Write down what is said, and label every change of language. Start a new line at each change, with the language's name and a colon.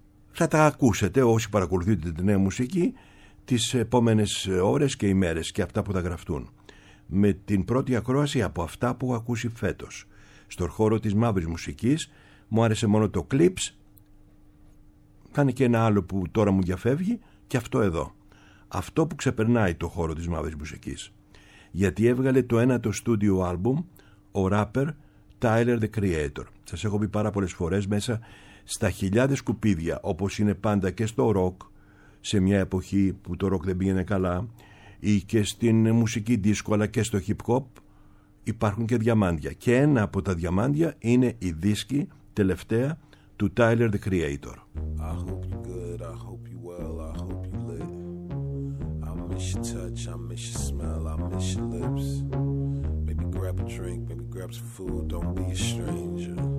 Greek: Θα τα ακούσετε όσοι παρακολουθείτε τη νέα μουσική τις επόμενες ώρες και ημέρες και αυτά που θα γραφτούν. Με την πρώτη ακρόαση από αυτά που έχω ακούσει φέτος. Στον χώρο της μαύρης μουσικής μου άρεσε μόνο το Clips. Θα είναι και ένα άλλο που τώρα μου διαφεύγει και αυτό εδώ. Αυτό που ξεπερνάει το χώρο της μαύρης μουσικής. Γιατί έβγαλε το ένατο studio album ο rapper Tyler the Creator. Σας έχω πει πάρα πολλές φορές μέσα στα χιλιάδες σκουπίδια, όπως είναι πάντα και στο rock, σε μια εποχή που το rock δεν πήγαινε καλά, ή και στην μουσική disco, αλλά και στο hip hop, υπάρχουν και διαμάντια. Και ένα από τα διαμάντια είναι η δίσκη τελευταία του Tyler the Creator.
English: I hope you're good, I hope you're well, I hope you live. I miss your touch, I miss your smell, I miss your lips. Maybe grab a drink, maybe grab some food, don't be a stranger.